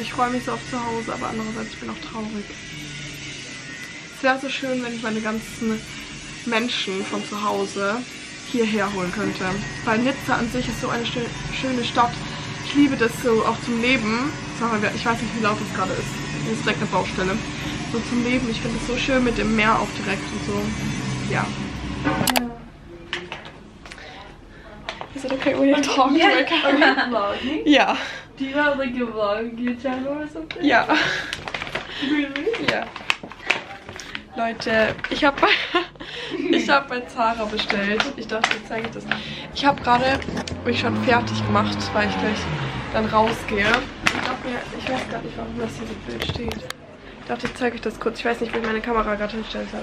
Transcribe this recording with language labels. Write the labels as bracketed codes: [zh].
[de] Ich freue mich so oft zu Hause, aber andererseits bin ich auch traurig. Es wäre so schön, wenn ich meine ganzen Menschen von zu Hause hierher holen könnte. Weil Nizza an sich ist so eine schöne Stadt. Ich liebe das so auch zum Leben. Ich weiß nicht, wie laut das gerade ist. Das ist direkt eine Baustelle. So zum Leben. Ich finde es so schön mit dem Meer auch direkt und so. Ja. [en] Is it okay when you talk to my camera? Are you vlogging? Yeah. Do you have like a vlog channel or something? Yeah. Really? Yeah. [de] Leute, ich hab bei Zara bestellt. Ich dachte, jetzt zeige ich das. Ich habe gerade mich schon fertig gemacht, weil ich gleich dann rausgehe. Ich weiß gar nicht, warum das hier so blöd steht. Ich dachte, ich zeige euch das kurz. Ich weiß nicht, wo ich meine Kamera gerade hingestellt habe.